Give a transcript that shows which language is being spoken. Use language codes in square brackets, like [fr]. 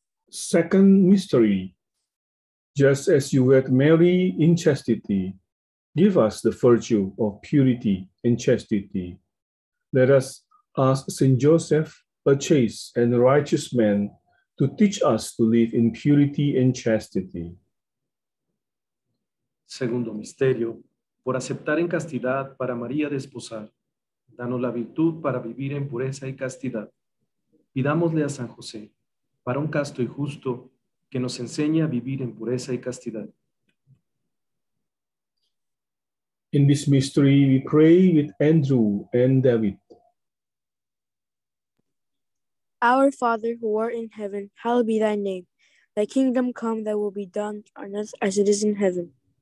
[en] Second mystery, just as you wed Mary in chastity, give us the virtue of purity and chastity. Let us ask Saint Joseph, a chaste and righteous man, to teach us to live in purity and chastity. [es] Segundo misterio, por aceptar en castidad para María desposar, danos la virtud para vivir en pureza y castidad. Pidámosle a San José, para un casto y justo, que nos enseñe a vivir en pureza y castidad. [en] In this mystery, we pray with Andrew and David. Our Father, who art in heaven, hallowed be thy name. Thy kingdom come, thy will be done on earth as it is in heaven.